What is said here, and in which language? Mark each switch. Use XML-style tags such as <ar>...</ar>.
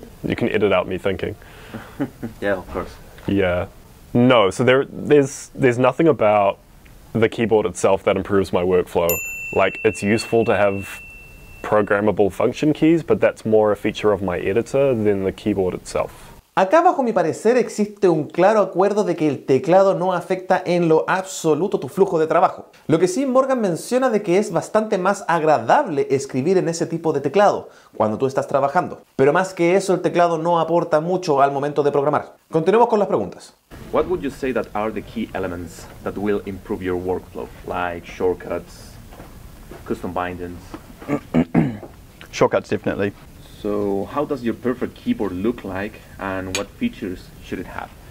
<en>You can edit out me thinking. Yeah, of course. Yeah. No, so there's nothing about the keyboard itself that improves my workflow. Like, it's useful to have programmable function keys, but that's more a feature of my editor than the keyboard itself.</en> <es>Acá, bajo mi parecer, existe un claro acuerdo de que el teclado no afecta en lo absoluto tu flujo de trabajo. Lo que sí, Morgan menciona de que es bastante más agradable escribir en ese tipo de teclado cuando tú estás trabajando. Pero más que eso, el teclado no aporta mucho al momento de programar. Continuemos con las preguntas.</es> <en>What would you say that are the key elements that will improve your workflow, like shortcuts, custom bindings? Shortcuts, definitely. So, how does your perfect keyboard look like, and what features should it have?</en>